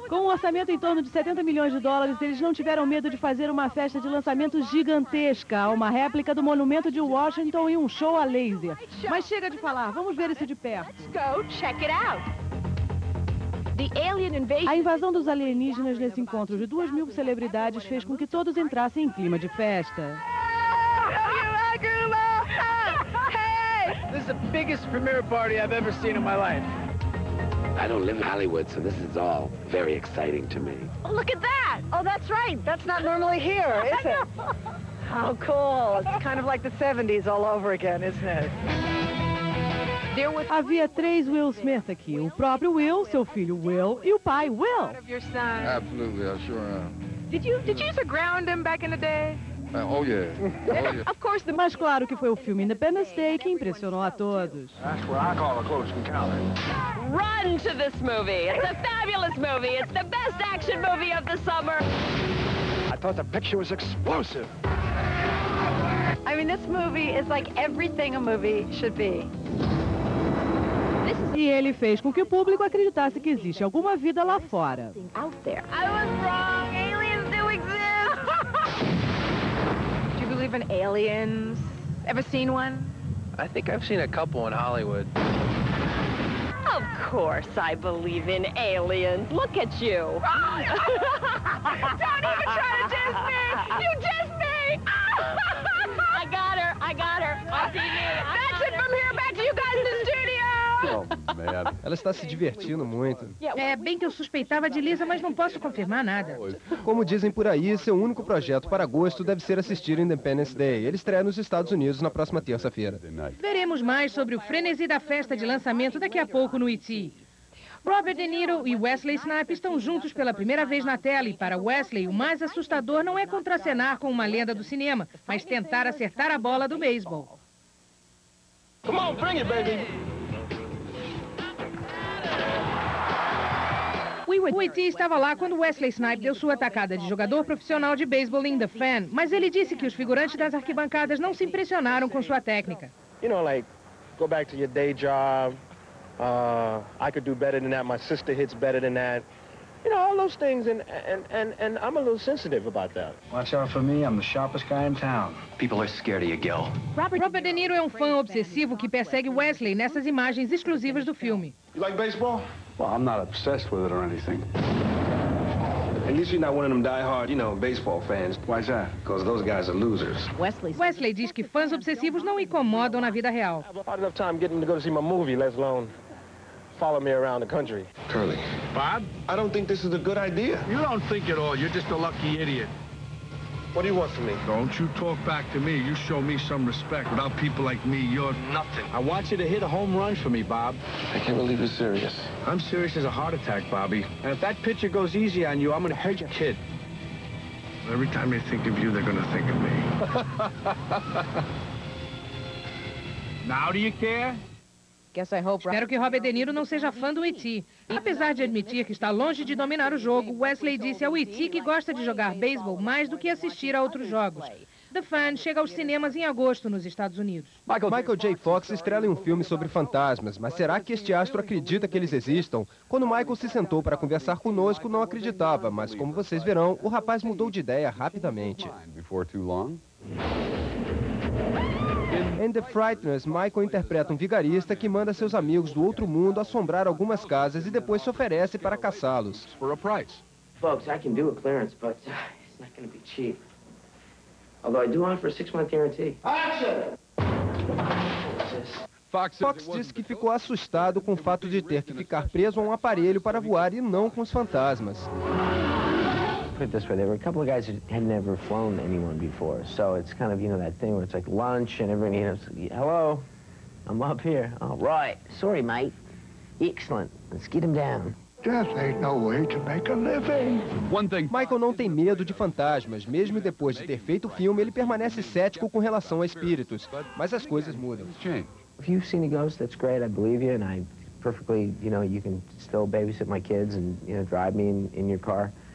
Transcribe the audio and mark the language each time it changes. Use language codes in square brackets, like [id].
[pt] Com um orçamento em torno de $70 milhões, eles não tiveram medo de fazer uma festa de lançamento gigantesca, uma réplica do Monumento de Washington e um show a laser. Mas chega de falar, vamos ver isso de perto. [en] Let's go check it out. [pt] A invasão dos alienígenas nesse encontro de 2.000 celebridades fez com que todos entrassem em clima de festa. [en] This is the biggest premiere party I've ever seen in my life. I don't live in Hollywood, so this is all very exciting to me. Oh, look at that! Oh, that's right. That's not normally here, is it? How cool. It's kind of like the 70s all over again, isn't it? [pt] Havia três Will Smith aqui, o próprio Will, seu filho Will e o pai Will. [en] Absolutely, I sure am. Did you use a ground him back in the day? Oh yeah. Of course, the [pt] mais claro que foi o filme Independence Day que impressionou a todos. [en] That's what I call a close encounter. Run to this movie. It's a fabulous movie. It's the best action movie of the summer. I thought the picture was explosive. I mean, this movie is like everything a movie should be. [pt] E ele fez com que o público acreditasse que existe alguma vida lá fora. [en] Out there. I was wrong. Aliens do exist. Do you believe in aliens? Ever seen one? I think I've seen a couple in Hollywood. Of course I believe in aliens. Look at you. Don't even try to diss me. You diss me. I got her. I got her. On TV. That's it from here. Back to you guys in the studio. [pt] Ela está se divertindo muito. É bem que eu suspeitava de Lisa, mas não posso confirmar nada. Como dizem por aí, seu único projeto para agosto deve ser assistir Independence Day. Ele estreia nos Estados Unidos na próxima terça-feira. Veremos mais sobre o frenesi da festa de lançamento daqui a pouco no E.T. Robert De Niro e Wesley Snipes estão juntos pela primeira vez na tela e, para Wesley, o mais assustador não é contracenar com uma lenda do cinema, mas tentar acertar a bola do beisebol. [en] Come on, bring it, baby! [pt] O E.T. estava lá quando Wesley Snipes deu sua tacada de jogador profissional de beisebol em The Fan, mas ele disse que os figurantes das arquibancadas não se impressionaram com sua técnica. [en] You know, like, go back to your day job. I could do better than that. My sister hits better than that. You know, all those things, and I'm a little sensitive about that. Watch out for me. I'm the sharpest guy in town. People are scared of you, Gil. [pt] Robert De Niro é um fã obsessivo que persegue Wesley nessas imagens exclusivas do filme. [en] You like baseball? Well, I'm not obsessed with it or anything. At least you're not one of them die-hard, you know, baseball fans. Why's that? Because those guys are losers. [pt] Wesley diz que fãs obsessivos não incomodam na vida real. [en] I have a hard enough time getting to go to see my movie, let alone follow me around the country. Curly. Bob? I don't think this is a good idea. You don't think at all. You're just a lucky idiot. What do you want from me? Don't you talk back to me. You show me some respect. Without people like me, you're nothing. I want you to hit a home run for me, Bob. I can't believe you're serious. I'm serious as a heart attack, Bobby. And if that pitcher goes easy on you, I'm gonna hurt your kid. Every time they think of you, they're gonna think of me. Now do you care? [pt] Espero que Robert De Niro não seja fã do E.T. Apesar de admitir que está longe de dominar o jogo, Wesley disse ao E.T. que gosta de jogar beisebol mais do que assistir a outros jogos. The Fan chega aos cinemas em agosto nos Estados Unidos. Michael J. Fox estrela em um filme sobre fantasmas, mas será que este astro acredita que eles existam? Quando Michael se sentou para conversar conosco, não acreditava, mas como vocês verão, o rapaz mudou de ideia rapidamente. Em The Frighteners, Michael interpreta um vigarista que manda seus amigos do outro mundo assombrar algumas casas e depois se oferece para caçá-los. [en] Folks, I can do a clearance, but it's not going to be cheap. Although I do offer a 6-month guarantee. Action! [pt] Fox diz que ficou assustado com o fato de ter que ficar preso a um aparelho para voar e não com os fantasmas. [en] Put it this way, there were a couple of guys that had never flown anyone before, so it's kind of, you know, that thing where it's like lunch and everybody, you know, it's like, hello, I'm up here. All right, sorry, mate. Excellent. Let's get him down. Death ain't no way to make a living. One thing. [pt] Michael não tem medo de fantasmas. Mesmo depois de ter feito o filme, ele permanece cético com relação a espíritos. Mas as coisas mudam. [en] If you've seen a ghost, that's great. I believe you, and I perfectly, you know, you can still babysit my kids and, you know, drive me in your car.